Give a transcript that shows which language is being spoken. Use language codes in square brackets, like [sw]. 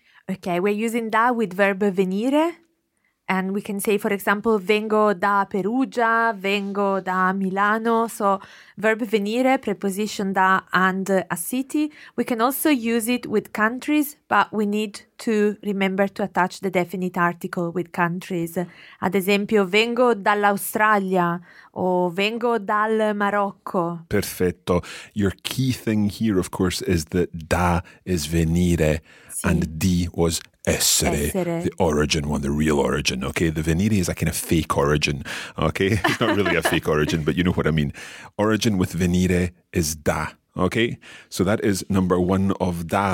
[en] Okay, we're using da with verb venire. And we can say, for example, [it] vengo da Perugia, vengo da Milano. [en] So verb venire, preposition da and a city. We can also use it with countries, but we need to remember to attach the definite article with countries. [it] Ad esempio, vengo dall'Australia o vengo dal Marocco. Perfetto. [en] Your key thing here, of course, is that da is venire and di was essere. The origin one, the real origin, okay? The venire is a kind of fake origin, okay? It's not really a fake origin, but you know what I mean. Origin with venire is da, okay? So that is number 1 of da.